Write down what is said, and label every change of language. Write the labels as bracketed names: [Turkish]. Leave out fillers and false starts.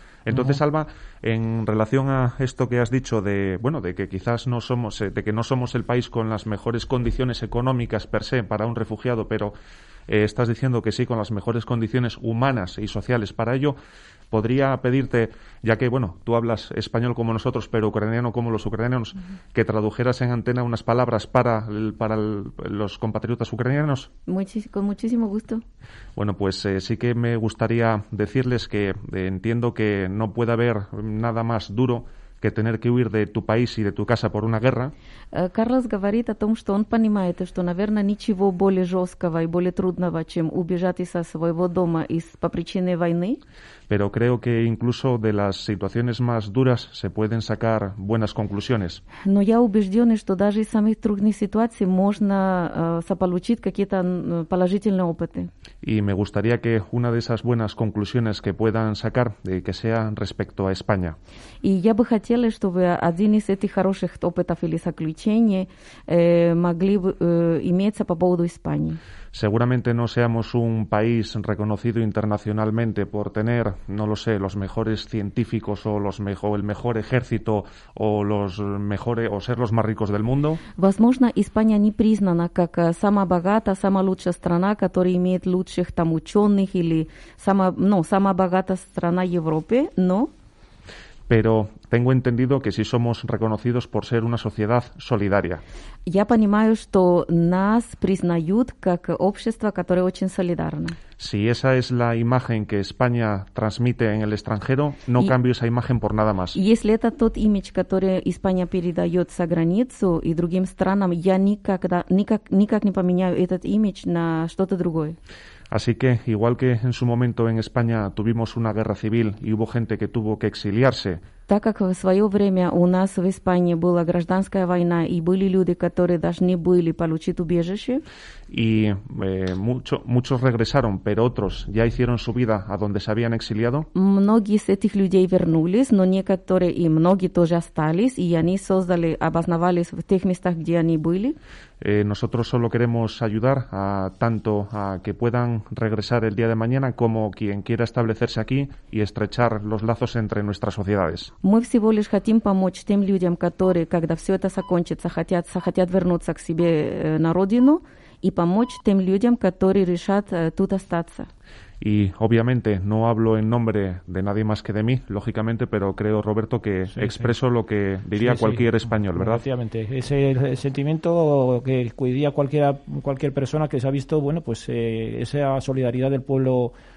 [Spanish] Entonces, Alba, en relación a esto que has dicho de, bueno, de que quizás no somos, de que no somos el país con las mejores condiciones económicas per se para un refugiado, pero estás diciendo que sí, con las mejores condiciones humanas y sociales para ello, podría pedirte, ya que, bueno, tú hablas español como nosotros, pero ucraniano como los ucranianos, que tradujeras en antena unas palabras para los compatriotas ucranianos. Con muchísimo gusto. Bueno, pues sí que me gustaría decirles que entiendo que no puede haber nada más duro que tener que huir de tu país y de tu casa por una guerra. [Russian] Carlos говорит о том, что он понимает, что, наверное, ничего более жесткого и более трудного, чем убежать из своего дома по причине войны. [Spanish] Pero creo que incluso de las situaciones más duras se pueden sacar buenas conclusiones. [Russian] Но я убежден, что даже из самых трудных ситуаций можно заполучить какие-то положительные опыты. [Spanish] Y me gustaría que una de esas buenas conclusiones que puedan sacar, que sea respecto a España. [Russian] Y я бы хотела, чтобы один из этих хороших опытов или заключений могли иметься по поводу Испании. [Spanish] Seguramente no seamos un país reconocido internacionalmente por tener, no lo sé, los mejores científicos o los mejor, el mejor ejército o los mejores o ser los más ricos del mundo. [Russian] Возможно, Испания не признана как самая богатая, самая лучшая страна, которая имеет лучших там ученых или самая богатая страна Европы, но. [Spanish] Pero tengo entendido que sí somos reconocidos por ser una sociedad solidaria. [Russian] Я понимаю, что нас признают как общество, которое очень солидарно. [Spanish] Si esa es la imagen que España transmite en el extranjero, no cambio esa imagen por nada más. [Russian] Если это тот имидж, который Испания передает за границу и другим странам, я никак не поменяю этот имидж на что-то другое. [Spanish] Así que, igual que en su momento en España tuvimos una guerra civil y hubo gente que tuvo que exiliarse. [Russian] Так как в свое время у нас в Испании была гражданская война и были люди, которые должны были получить убежище. [Spanish] Y muchos regresaron, pero otros ya hicieron su vida a donde se habían exiliado. [Russian] Многие из этих людей вернулись, но некоторые и многие тоже остались, и они создали, обосновались в тех местах, где они были. [Spanish] Nosotros solo queremos ayudar a tanto a que puedan regresar el día de mañana como quien quiera establecerse aquí y estrechar los lazos entre nuestras sociedades. [Russian] Мы всего лишь хотим помочь тем людям, которые, когда все это закончится, хотят вернуться к себе на родину и помочь тем людям, которые решат тут остаться. [Spanish] Y obviamente no hablo en nombre de nadie más que de mí, lógicamente, pero creo, Roberto, que sí, expreso lo que diría cualquier español, ¿verdad? Efectivamente, es el sentimiento que cuidaría cualquier persona que se ha visto, bueno, pues esa solidaridad del pueblo